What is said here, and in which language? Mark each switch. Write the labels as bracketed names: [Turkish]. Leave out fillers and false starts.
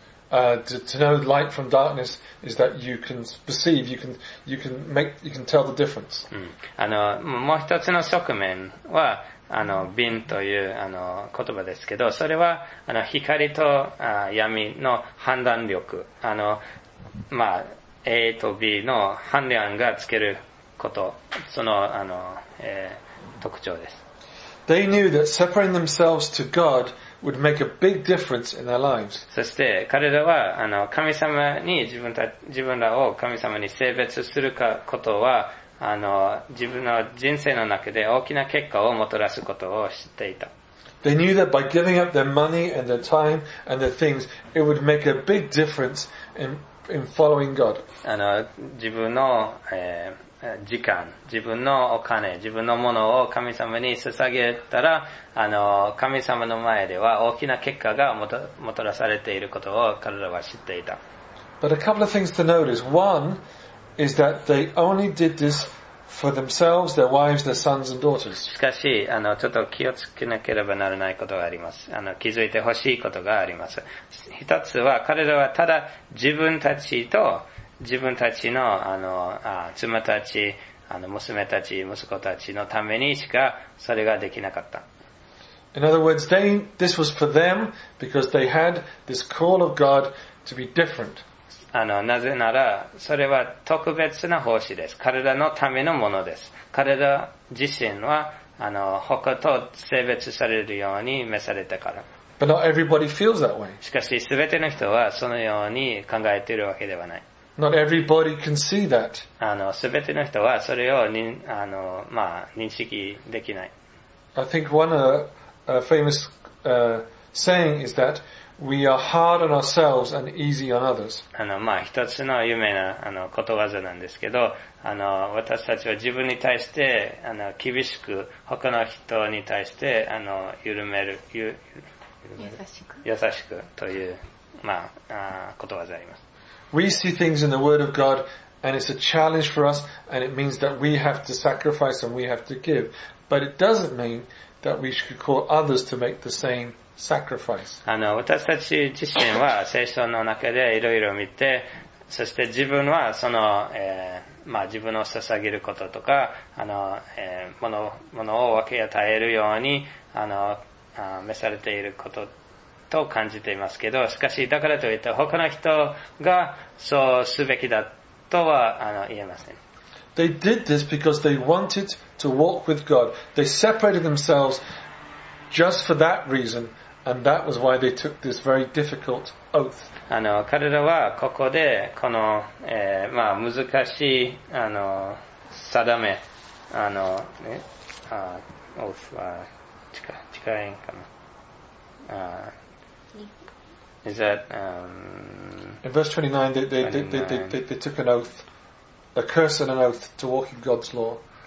[English] To know light from darkness is that you can perceive, you can tell the difference.、 [Japanese] うん、あの、もう一つの側面は、あの、瓶という、あの、言葉ですけど、それは、あの、光と闇の判断力。あの、まあ、A と B の判断がつけること。その、あの、特徴です。 [English] They knew that separating themselves to God would make a big difference in their lives. [Japanese] そして彼らはあの神様に自分らを神様に性別するかことはあの自分の人生の中で大きな結果をもたらすことを知っていた。 [English] They knew that by giving up their money and their time and their things, it would make a big difference in following God. [Japanese] あの自分の、時間、自分のお金、自分のものを神様に捧げたら、あの、神様の前では大きな結果がもたらされていることを彼らは知っていた。 [English] But a couple of things to notice. One is that they only did this for themselves, their wives, their sons and daughters. [Japanese] しかし、あの、ちょっと気をつけなければならないことがあります。あの、気づいてほしいことがあります。一つは彼らはただ自分たちと自分たちの、あの、妻たち、あの、娘たち、息子たちのためにしか、それができなかった。 [English] In other words, this was for them because they had this call of God to be different. [Japanese] あの、なぜなら、それは特別な奉仕です。彼らのためのものです。彼ら自身は、あの、他と性別されるように召されたから。 [English] But not everybody feels that way. [Japanese] しかし、すべての人はそのように考えているわけではない。 [English] Not everybody can see that. [Japanese] あの、すべての人はそれを、あの、まあ、認識できない。 [English] I think one famous saying is that we are hard on ourselves and easy on others. [Japanese] あの、まあ、一つの有名な、あの、ことわざなんですけど、あの、私たちは自分に対して、あの、厳しく、他の人に対して、あの、緩める。優しくという、まあ、ことわざあります。 [English] We see things in the Word of God, and it's a challenge for us, and it means that we have to sacrifice and we have to give. But it doesn't mean that we should call others to make the same sacrifice. [Japanese] あの、私たち自身は聖書の中でいろいろ見て、そして自分はその、まあ、自分を捧げることとか、あの、ものを分け与えるように、あの、召されていること、と感じていますけど、しかしだからといって他の人がそうすべきだとは言えません。 [English] They did this because they wanted to walk with God. They separated themselves just for that reason, and that was why they took this very difficult oath. [Japanese] あの、彼らはここでこの、まあ、難しい、あの、定め、あの、ね、あ、oath は、誓えんかな。 [English] Is that, In verse 29, they took an oath, a curse and an oath to walk in God's law.